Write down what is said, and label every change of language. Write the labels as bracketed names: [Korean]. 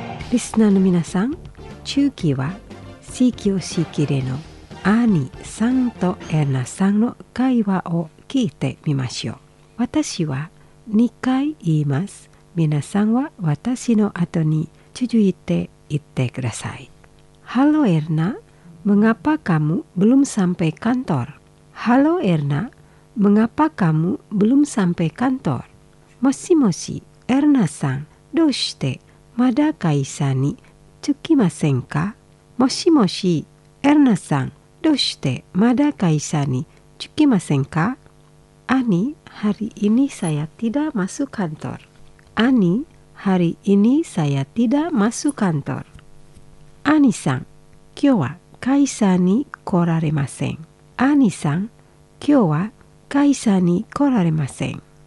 [Japanese] リスナーの皆さん、中期は始業式での兄さんとエルナさんの会話を聞いてみましょう。私は2回言います。皆さんは私の後に続いて言ってください。 [Indonesian] Halo Erna, mengapa kamu belum sampai kantor? Halo Erna, mengapa kamu belum sampai kantor? [Japanese] Moshi moshi, Erna san, どうしてまだ会社に着きませんか？もしもし、エルナさん、どうしてまだ会社に着きませんか？ [Indonesian] 兄、hari ini saya tidak masuk kantor. [Japanese] アニさん、今日は会社に来られません。アニさん、今日は会社に来られません。